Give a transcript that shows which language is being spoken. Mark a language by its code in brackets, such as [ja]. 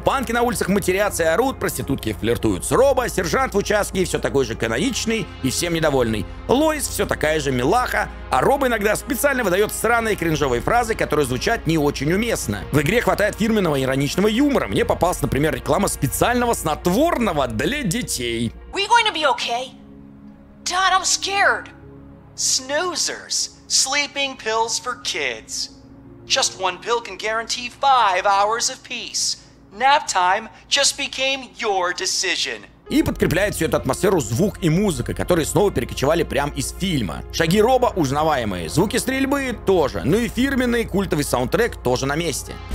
[ru] Панки на улицах матерятся и орут, проститутки флиртуют с Роба, сержант в участке все такой же каноничный и всем недовольный. Лоис все такая же милаха, а Роб иногда специально выдает странные кринжовые фразы, которые звучат не очень уместно. В игре хватает фирменного ироничного юмора. Мне попалась, например, реклама специального снотворного для детей. [en] We going to be okay? Dad, I'm scared. Snoozers. Sleeping pills for kids. Just one pill can guarantee 5 hours of peace. Nap time just became your decision. [ru] И подкрепляет всю эту атмосферу звук и музыка, которые снова перекочевали прямо из фильма. Шаги Роба узнаваемые, звуки стрельбы тоже, ну и фирменный культовый саундтрек тоже на месте.